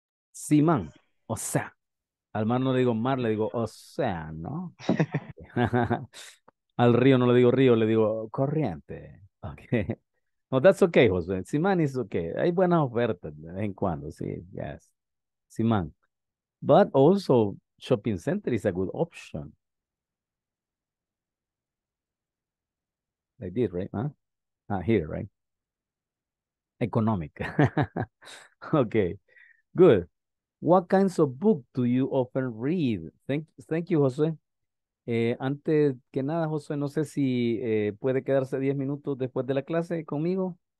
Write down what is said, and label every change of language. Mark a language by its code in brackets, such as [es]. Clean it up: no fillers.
[es] Simán, o sea, al mar no le digo mar, le digo, o sea, ¿no? Al río no le digo río, le digo corriente. [en] Okay. No, that's okay, Josué. Simán is okay. [es] Hay buenas ofertas de vez en cuando, sí, [en] yes. [es] Simán. [en] But also, shopping center is a good option. Like this, right? Huh? Here, right? Economic. Okay, good. What kinds of book do you often read? Thank you, Jose. [es] Antes que nada, Jose, no sé si puede quedarse 10 minutos después de la clase conmigo.